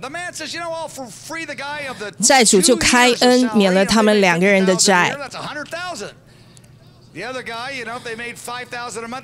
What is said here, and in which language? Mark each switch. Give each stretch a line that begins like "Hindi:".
English: The man says, "You know, I'll free the guy of the."
Chinese: 债主就开恩，免了他们两个人的债。
English: That's 100,000. The other guy, you know, they made 5,000 a month.